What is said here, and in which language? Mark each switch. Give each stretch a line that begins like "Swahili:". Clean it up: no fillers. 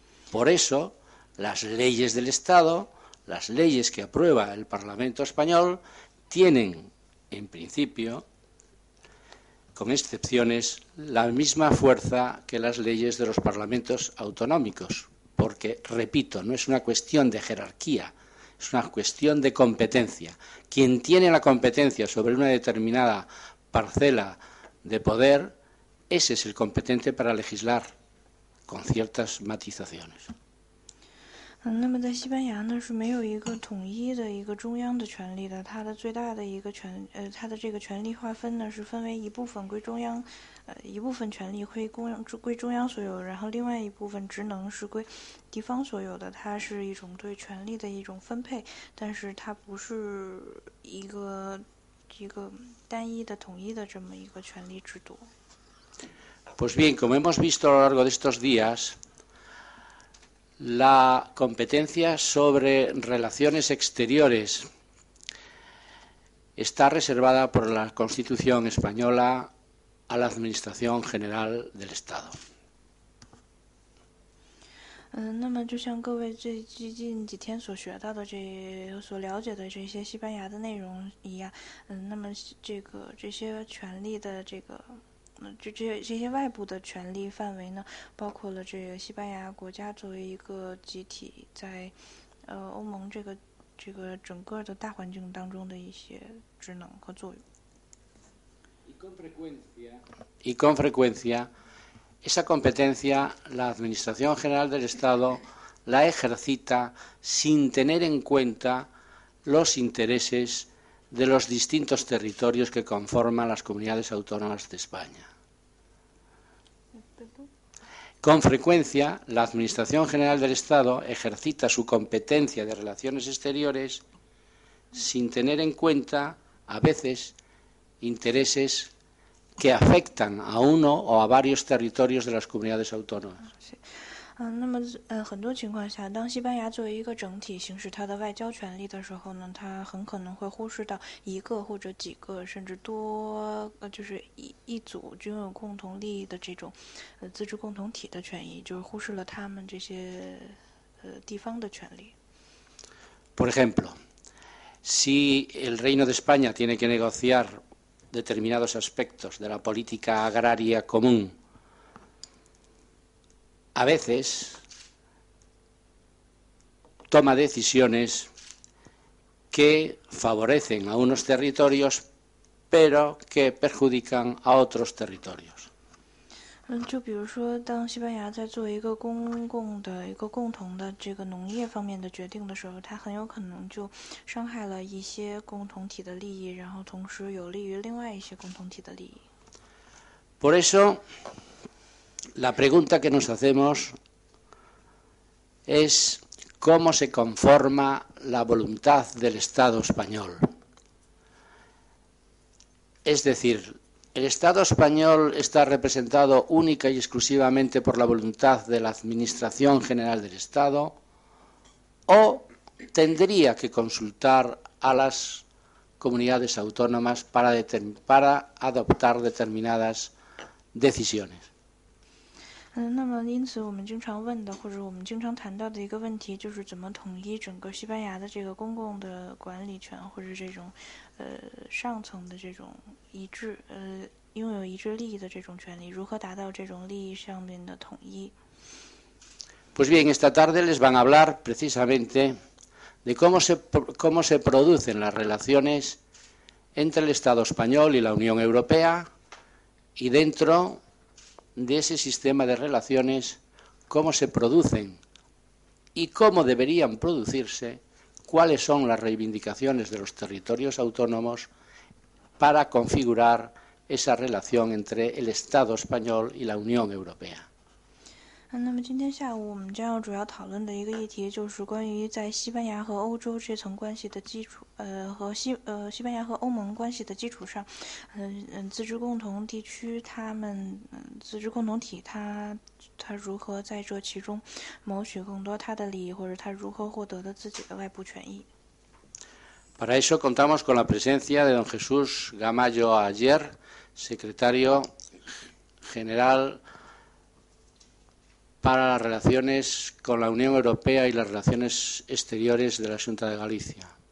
Spanish: Por eso, las leyes del Estado, las leyes que aprueba el Parlamento español, tienen, en principio, con excepciones, la misma fuerza que las leyes de los parlamentos autonómicos, porque, repito, no es una cuestión de jerarquía, es una cuestión de competencia. Quien tiene la competencia sobre una determinada parcela de poder, ese es el competente para legislar, con ciertas matizaciones.
Chinese: 那么在西班牙呢，是没有一个统一的一个中央的权力的，它的最大的一个权，它的这个权力划分呢，是分为一部分归中央，一部分权力归中央所有，然后另外一部分职能是归地方所有的，它是一种对权力的一种分配，但是它不是一个单一的统一的这么一个权力制度。
Spanish: Pues bien, como hemos visto a lo largo de estos días, la competencia sobre relaciones exteriores está reservada por la Constitución española a la Administración General del Estado.
Chinese: 那么就像各位最近几天所学到的所了解的这些西班牙的内容一样，那么这些权利的这个，这些外部的权利范围呢，包括了这个西班牙国家作为一个集体在，欧盟这个整个的大环境当中的一些职能和作用。
Spanish: Y con frecuencia, esa competencia la Administración General del Estado la ejercita sin tener en cuenta los intereses de los distintos territorios que conforman las comunidades autónomas de España. Con frecuencia, la Administración General del Estado ejercita su competencia de relaciones exteriores sin tener en cuenta, a veces, intereses que afectan a uno o a varios territorios de las comunidades autónomas.
Chinese: 那么很多情况下，当西班牙作为一个整体行使它的外交权力的时候呢，它很可能会忽视到一个或者几个，甚至多，就是一组均有共同利益的这种，自治共同体的权益，就是忽视了他们这些，地方的权利。
Spanish: Por ejemplo, si el Reino de España tiene que negociar determinados aspectos de la política agraria común, a veces toma decisiones que favorecen a unos territorios, pero que perjudican a otros territorios.
Chinese: 就比如说，当西班牙在做一个共同的这个农业方面的决定的时候，它很有可能就伤害了一些共同体的利益，然后同时有利于另外一些共同体的利益。
Spanish: Por eso, la pregunta que nos hacemos es cómo se conforma la voluntad del Estado español. Es decir, ¿el Estado español está representado única y exclusivamente por la voluntad de la Administración General del Estado o tendría que consultar a las comunidades autónomas para adoptar determinadas decisiones?
Chinese: 那么因此我们经常问的，或者我们经常谈到的一个问题，就是怎么统一整个西班牙的这个公共的管理权，或者这种，上层的这种一致，拥有一致利益的这种权利，如何达到这种利益上面的统一？
Spanish: Pues bien, esta tarde les van a hablar precisamente de cómo se producen las relaciones entre el Estado español y la Unión Europea y dentro de ese sistema de relaciones, cómo se producen y cómo deberían producirse, cuáles son las reivindicaciones de los territorios autónomos para configurar esa relación entre el Estado español y la Unión Europea.
Chinese: 那么今天下午我们将要主要讨论的一个议题，就是关于在西班牙和欧洲这层关系的基础，和西班牙和欧盟关系的基础上，自治共同地区他们，自治共同体他如何在这其中谋取更多他的利益，或者他如何获得的自己的外部权益。
Spanish: Para eso contamos con la presencia de don Jesús Gamayo Ayer, secretario general para las relaciones con la Unión Europea y las relaciones exteriores de la Xunta de Galicia.